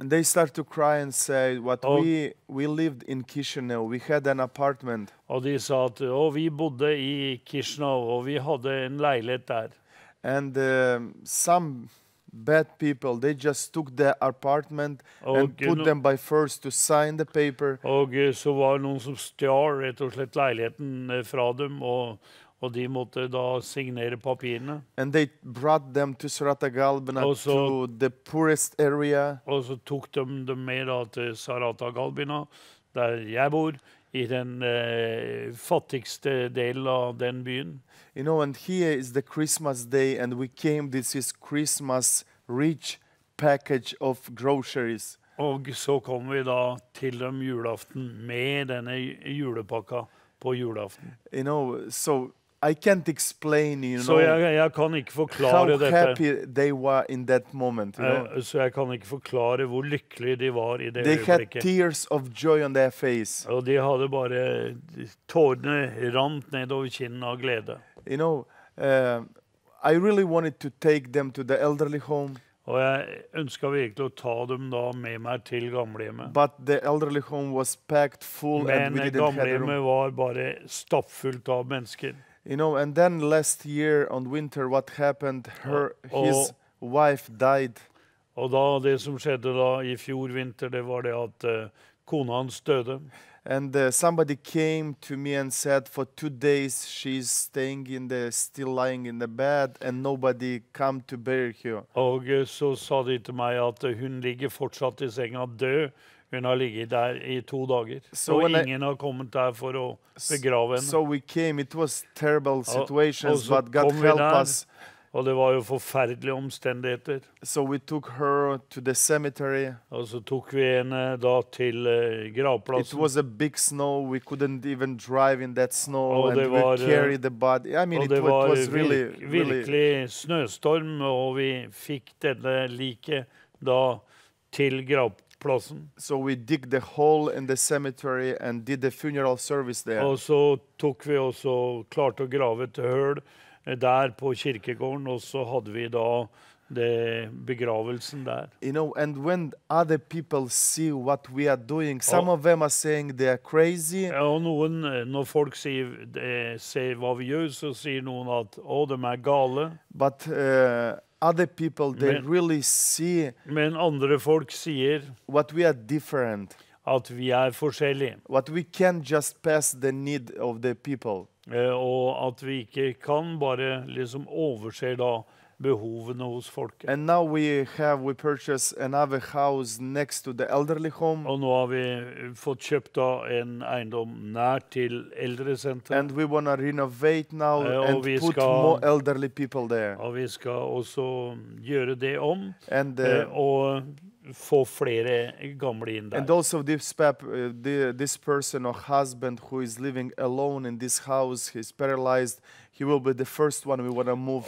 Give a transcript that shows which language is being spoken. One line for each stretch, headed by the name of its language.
English: And they start to cry and say, we lived in Chisinau, we had an apartment.
Norwegian: Og de sa at, vi bodde i Chisinau, og vi hadde en leilighet der.
English: And some bad people, they just took the apartment and put them by force to sign the paper.
Norwegian: Og så var det noen som stjal rett og slett leiligheten fra dem, og de måtte da signere papirene.
English: And they brought them to Saratagalbena, to the poorest area.
Norwegian: Og så tok de dem med da til Saratagalbena, der jeg bor, i den fattigste delen av den byen.
English: You know, and here is the Christmas day, and we came, this is Christmas rich package of groceries.
Norwegian: Og så kom vi da til dem julaften med denne julepakka på julaften.
English: You know, so I can't explain, you know.
Norwegian: Så jeg kan ikke forklare dette.
English: How happy they were in that moment, you know.
Norwegian: Så jeg kan ikke forklare hvor lykkelig de var i det øyeblikket.
English: They had tears of joy on their face.
Norwegian: Og de hadde bare tårene rant ned over kinnen av glede.
English: You know, I really wanted to take them to the elderly home.
Norwegian: Og jeg ønsket virkelig å ta dem da med meg til gamlehjemmet.
English: But the elderly home was packed full and we didn't have room.
Norwegian: Men gamlehjemmet var bare stappfullt av mennesker.
English: You know, and then last year on winter what happened, his wife died.
Norwegian: Og da det som skjedde da i fjor vinter, det var det at kona hans døde.
English: And somebody came to me and said for 2 days she's staying in the still lying in the bed and nobody come to bury her.
Norwegian: Og så sa de til meg at hun ligger fortsatt i senga død. Hun har ligget der i 2 dager. So og ingen har kommet der for å begrave henne.
English: So we came, it was terrible situation but God help us.
Norwegian: Og det var jo forferdelige omstendigheter.
English: So we took her to the cemetery.
Norwegian: Og så tok vi henne da til gravplassen.
English: It was a big snow. We couldn't even drive in that snow and we carried the body. I mean it was really
Norwegian: virkelig snøstorm og vi fikk denne like da til gravplassen.
English: So we dig the hole in the cemetery and did the funeral service there.
Norwegian: Og så tok vi også klart å grave et høl der på kirkegården, og så hadde vi da det begravelsen der.
English: You know, and when other people see what we are doing, some of them are saying they are crazy.
Norwegian: Og noen, når folk sier, ser hva vi gjør, så sier noen at, de er gale.
English: But other people, they really see.
Norwegian: Men andre folk sier
English: what we are different.
Norwegian: At vi er forskjellige.
English: What we can just pass the need of the people.
Norwegian: Og at vi ikke kan bare liksom overse da behovene hos folket.
English: And now we purchased another house next to the elderly home.
Norwegian: Og nå har vi fått kjøpt da en eiendom nær til eldresenteret.
English: And we want to renovate now and put more elderly people there.
Norwegian: Og vi skal også gjøre det om. And og få flere gamle inn der.
English: And also this person or husband who is living alone in this house, he's paralyzed, he will be the first one we want to move